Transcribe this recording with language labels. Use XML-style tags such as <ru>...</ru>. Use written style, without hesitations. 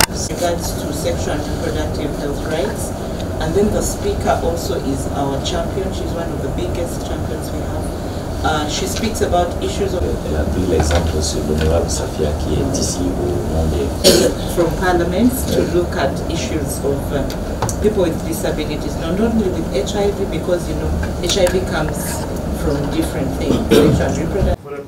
<en>Regards to sexual and reproductive health rights, and then the speaker also is our champion. She's one of the biggest champions we have. She speaks about issues of.</en> <fr>Elle a pris l'exemple sur l'honorable Safia qui est ici au nom des.</fr> <en>From Parliament to look at issues of. People with disabilities, not only with HIV, because you know HIV comes from different things.</en>